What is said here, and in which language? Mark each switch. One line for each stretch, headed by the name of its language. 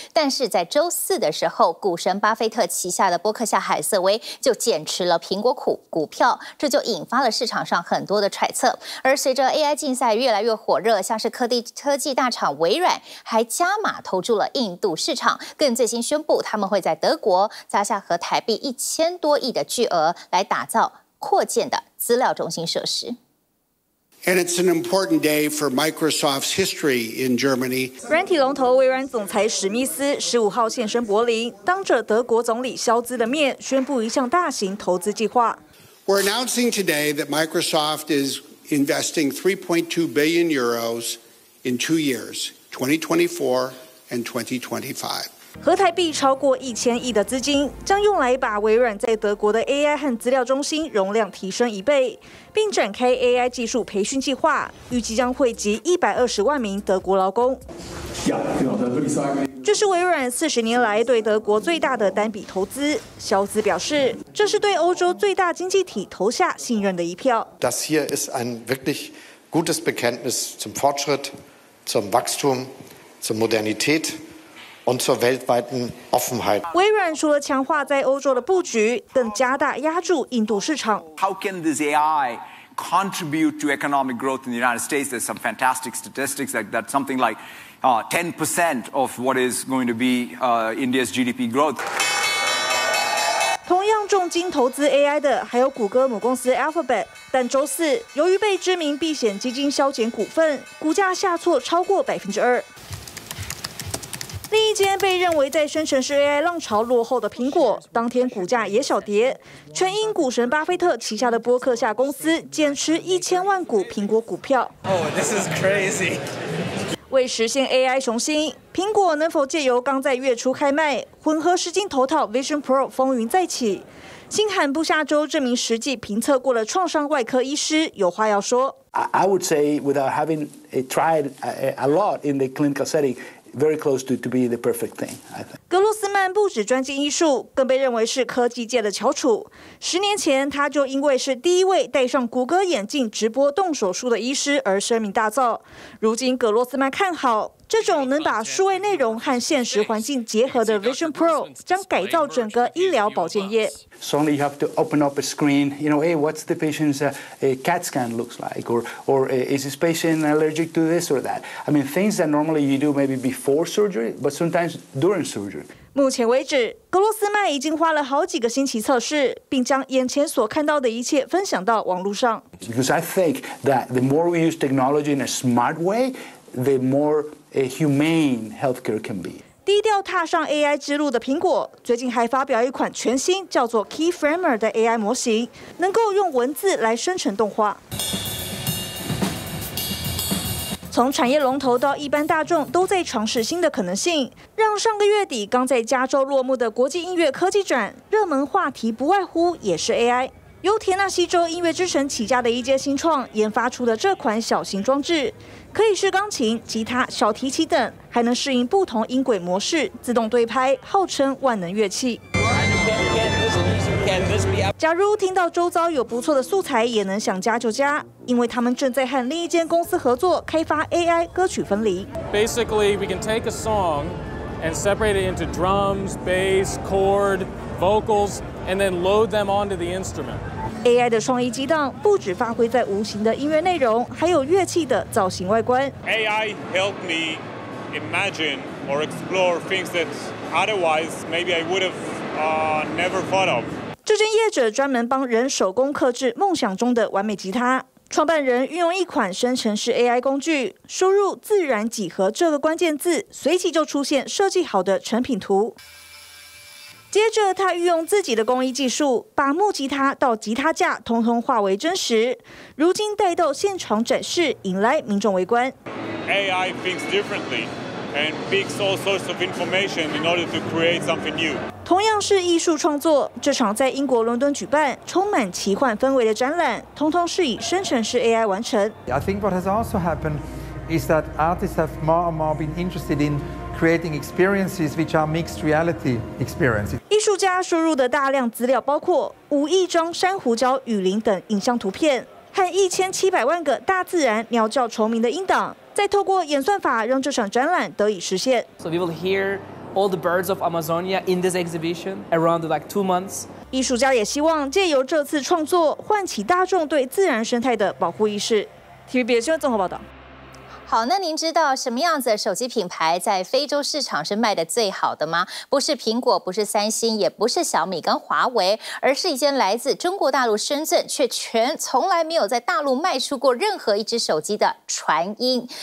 Chinese: 但是在周四的时候，股神巴菲特旗下的伯克夏海瑟威就减持了苹果股票，这就引发了市场上很多的揣测。而随着 AI 竞赛越来越火热，像是科技大厂微软还加码投注了印度市场，更最新宣布他们会在德国砸下和台币1000多亿的巨额来打造扩建的资料中心设施。
English: And it's an important day for Microsoft's history in Germany.
Chinese: 软体龙头微软总裁史密斯15号现身柏林，当着德国总理肖兹的面宣布一项大型投资计划。
English: We're announcing today that Microsoft is investing 3.2 billion euros in 2 years, 2024 and 2025.
Chinese: 合台币超过1000亿的资金将用来把微软在德国的 AI 和资料中心容量提升一倍，并展开 AI 技术培训计划，预计将汇集120万名德国劳工。这是微软40年来对德国最大的单笔投资。肖兹表示，这是对欧洲最大经济体投下信任的一票。
German: Das hier ist ein wirklich gutes Bekenntnis zum Fortschritt, zum Wachstum, zur Modernität. Und zur weltweiten Offenheit.
Chinese: 微软除了强化在欧洲的布局，更加大压住印度市场。
English: How can this AI contribute to economic growth in the United States? There's some fantastic statistics like that something like 10% of what is going to be India's GDP growth.
Chinese: 同样重金投资 AI 的还有谷歌母公司 Alphabet， 但周四由于被知名避险基金削减股份，股价下挫超过2%。另一间被认为在生成式 AI 浪潮落后的苹果，当天股价也小跌，全因股神巴菲特旗下的伯克夏公司减持1000万股苹果股票。
English: Oh, this is crazy.
Chinese: 为实现 AI 雄心，苹果能否借由刚在月初开卖混合实境头套 Vision Pro 风云再起？新罕布夏州这名实际评测过的创伤外科医师有话要说。
English: I would say without having tried a lot in the clinical setting. Very close to be the perfect thing, I think.
Chinese: 格鲁斯曼不止专精医术，更被认为是科技界的翘楚。 10年前，他就因为是第一位戴上谷歌眼镜直播动手术的医师而声名大噪。如今，格鲁斯曼看好这种能把数位内容和现实环境结合的 Vision Pro， 将改造整个医疗保健业。
English: Suddenly, you have to open up a screen. You know, hey, what's the patient's CAT scan looks like, or is this patient allergic to this or that? I mean, things that normally you do maybe before surgery, but sometimes during surgery.
Chinese: 目前为止，格罗斯曼已经花了好几个星期测试，并将眼前所看到的一切分享到网络上。
English: Because I think that the more we use technology in a smart way, the more a humane healthcare can be.
Chinese: 低调踏上 AI 之路的苹果，最近还发表一款全新叫做 Keyframer 的 AI 模型，能够用文字来生成动画。从产业龙头到一般大众都在尝试新的可能性，让上个月底刚在加州落幕的国际音乐科技展热门话题不外乎也是 AI。由田纳西州音乐之神起家的一间新创研发出的这款小型装置，可以是钢琴、吉他、小提琴等，还能适应不同音轨模式自动对拍，号称万能乐器。假如听到周遭有不错的素材，也能想加就加，因为他们正在和另一间公司合作开发 AI 歌曲分离。
English: Basically, we can take a song and separate it into drums, bass, chord, vocals, and then load them onto the instrument.
Chinese: AI 的创意激荡不止发挥在无形的音乐内容，还有乐器的造型外观。
English: AI helped me imagine or explore things that otherwise maybe I would have never thought of.
Chinese: 这间业者专门帮人手工刻制梦想中的完美吉他，创办人运用一款生成式 AI 工具，输入自然几何这个关键字，随即就出现设计好的成品图。接着他运用自己的工艺技术，把木吉他到吉他架通通化为真实，如今带到现场展示，引来民众围观。
English: AI thinks differently and picks all sorts of information in order to create something new.
Chinese: 同样是艺术创作，这场在英国伦敦举办、充满奇幻氛围的展览，通通是以生成式 AI 完成。
English: I think what has also happened is that artists have more and more been interested in creating experiences which are mixed reality experiences。
Chinese: 艺术家输入的大量资料包括5亿张珊瑚礁、雨林等影像图片，和1700万个大自然鸟叫虫鸣的音档，再透过演算法让这场展览得以实现。
English: So we will hear. All the birds of Amazonia in this exhibition around like 2 months.
Chinese: 艺术家也希望借由这次创作唤起大众对自然生态的保护意识。TVBS 新闻综合报道。好，那您知道什么样子的手机品牌在非洲市场是卖的最好的吗？不是苹果，不是三星，也不是小米跟华为，而是一间来自中国大陆深圳，却从来没有在大陆卖出过任何一只手机的传音。